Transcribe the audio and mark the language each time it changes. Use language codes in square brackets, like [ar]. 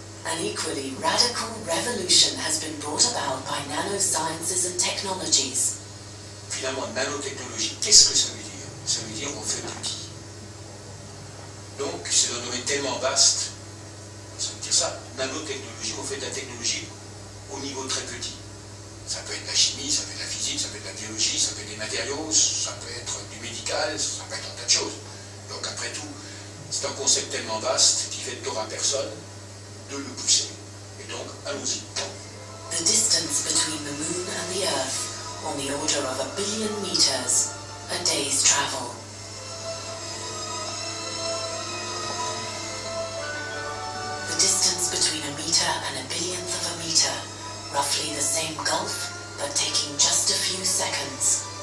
[en] An equally radical revolution has been brought about by nanosciences and technologies. [fr] Finalement, nanotechnologie, qu'est-ce que ça veut dire? Ça veut dire, en fait, des pis. Donc, c'est un domaine tellement vaste, ça veut dire ça, nanotechnologie, en fait, la technologie au niveau très petit. Ça peut être la chimie, ça peut être la physique, ça peut être la biologie, ça peut être des matériaux, ça peut être du médical, ça peut être un tas de choses. Donc, après tout, c'est un concept tellement vaste qui fait tort à personne de le pousser. Et donc, allons-y. [en] The distance between the moon and the earth, on the order of a billion meters, a day's travel. The distance between a meter and a billionth of a meter, roughly the same gulf, but taking just a few seconds.